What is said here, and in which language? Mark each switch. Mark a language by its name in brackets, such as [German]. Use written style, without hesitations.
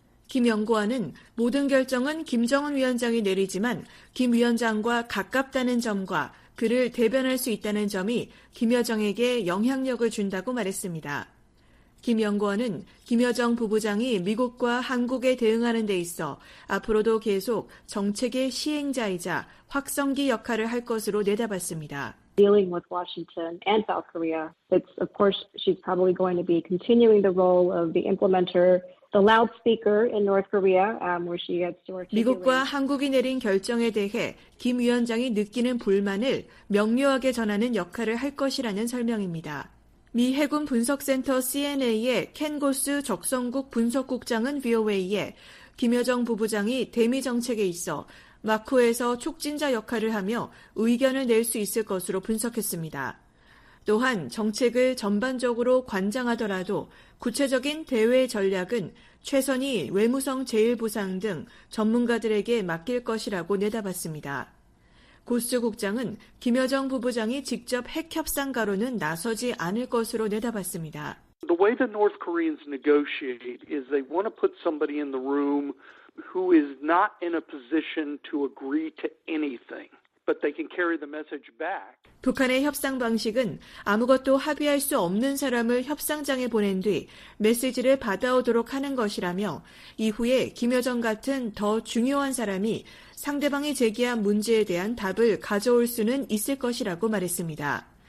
[Korean] 김 연구원은 모든 결정은 김정은 위원장이 내리지만 김 위원장과 가깝다는 점과 그를 대변할 수 있다는 점이 김여정에게 영향력을 준다고 말했습니다. 김 연구원은 김여정 부부장이 미국과 한국에 대응하는 데 있어 앞으로도 계속 정책의 시행자이자 확성기 역할을 할 것으로 내다봤습니다. [English] Dealing with Washington and South Korea, it's of course she's probably going to be continuing the role of the implementer. The loudspeaker in North Korea, where she had to articulate. [Korean] 미국과 한국이 내린 결정에 대해 김 위원장이 느끼는 불만을 명료하게 전하는 역할을 할 것이라는 설명입니다. 미 해군 분석센터 CNA의 켄 고스 적성국 분석국장은 VOA에 김여정 부부장이 대미 정책에 있어 마크에서 촉진자 역할을 하며 의견을 낼 수 있을 것으로 분석했습니다. 또한 정책을 전반적으로 관장하더라도 구체적인 대외 전략은 최선이 외무성 제1부상 등 전문가들에게 맡길 것이라고 내다봤습니다. 고스 국장은 김여정 부부장이 직접 핵 협상가로는 나서지 않을 것으로 내다봤습니다. [English] The way the North Koreans negotiate is they want to put somebody in the room who is not in a position to agree to anything. But they can carry the message back. [Korean] 북한의 협상 방식은 아무것도 합의할 수 없는 사람을 협상장에 보낸 뒤 메시지를 받아오도록 하는 것이라며 이후에 김여정 같은 더 중요한 사람이 상대방이 제기한 문제에 대한 답을 가져올 수는 있을 것이라고 말했습니다.